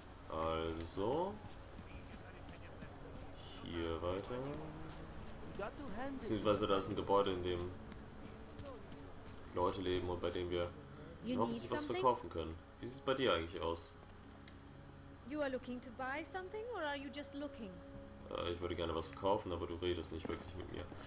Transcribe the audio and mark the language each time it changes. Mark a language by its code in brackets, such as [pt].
[de] Also. Hier weiter. Beziehungsweise da ist ein Gebäude, in dem Leute leben und bei dem wir hoffentlich was verkaufen können. Wie sieht es bei dir eigentlich aus? [en] You are looking to buy something or are you just looking? [de] Ich würde gerne was verkaufen, aber du redest nicht wirklich mit mir.